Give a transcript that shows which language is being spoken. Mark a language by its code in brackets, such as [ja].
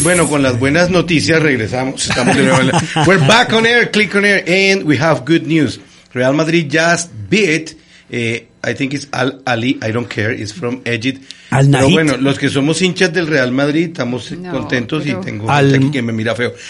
[es] Bueno, con las buenas noticias regresamos, estamos de nuevo. [en] We're back on air, click on air, and we have good news. Real Madrid just beat, I think it's Al Ali, I don't care, it's from Egypt. Al-Nahid. [es] Pero bueno, los que somos hinchas del Real Madrid estamos contentos y tengo gente que me mira feo.